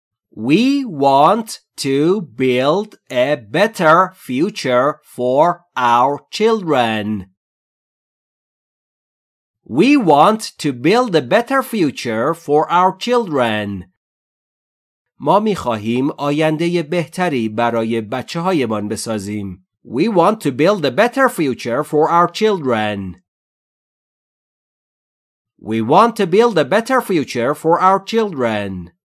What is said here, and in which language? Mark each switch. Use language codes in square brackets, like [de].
[en] We want to build a better future for our children. We want to build a better future for our children. [fa] ما می‌خواهیم آینده بهتری برای بچه‌هایمان بسازیم. [en] We want to build a better future for our children. We want to build a better future for our children.